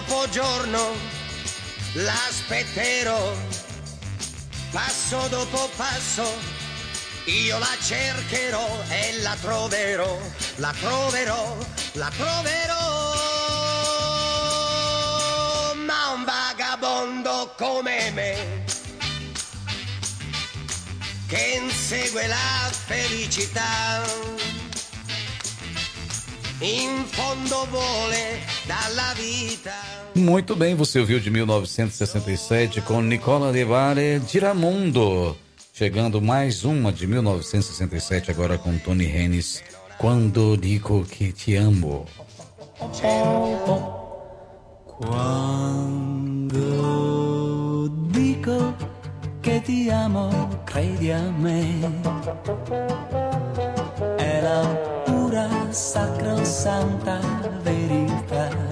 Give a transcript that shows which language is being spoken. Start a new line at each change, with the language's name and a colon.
Italian: Giorno l'aspetterò, passo dopo passo io la cercherò e la troverò, la troverò, la troverò. Ma un vagabondo come me, che insegue la felicità, in fondo vuole dalla vita.
Portuguese: Muito bem, você ouviu de 1967 com Nicola De Bari, Giramondo. Chegando mais uma de 1967 agora com Tony Hennes, Quando Digo Que Te Amo. Quando digo que te amo,
Italian: credi a me, è la pura sacrosanta verità.